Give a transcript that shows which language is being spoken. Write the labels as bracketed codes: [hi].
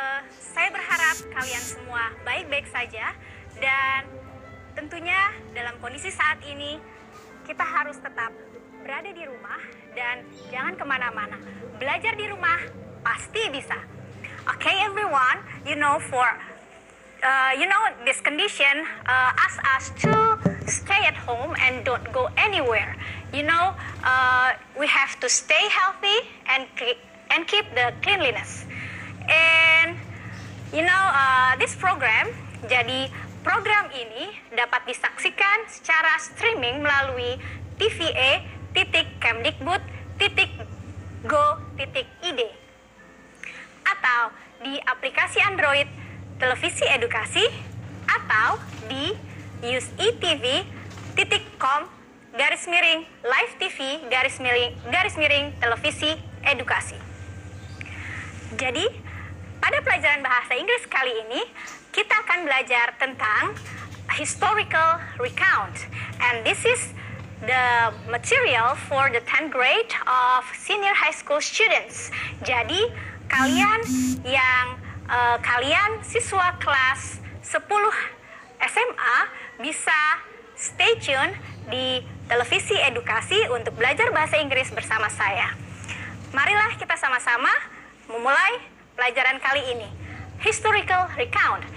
[id] Saya berharap kalian semua baik-baik saja, dan tentunya dalam kondisi saat ini, kita harus tetap berada di rumah dan jangan kemana-mana. Belajar di rumah pasti bisa. [en] Okay, everyone, you know for you know this condition ask us to stay at home and don't go anywhere. You know we have to stay healthy and keep the cleanliness. And you know this program, [id] jadi program ini dapat disaksikan secara streaming melalui tva.kemdikbud.go.id atau di aplikasi Android Televisi Edukasi atau di usetv.com/live-tv/televisi-edukasi. Jadi, pada pelajaran bahasa Inggris kali ini, kita akan belajar tentang historical recount. [en] And this is the material for the 10th grade of senior high school students. [id] Jadi, kalian yang kalian siswa kelas 10 SMA bisa stay tune di Televisi Edukasi untuk belajar bahasa Inggris bersama saya. Marilah kita sama-sama memulai pelajaran kali ini, historical recount.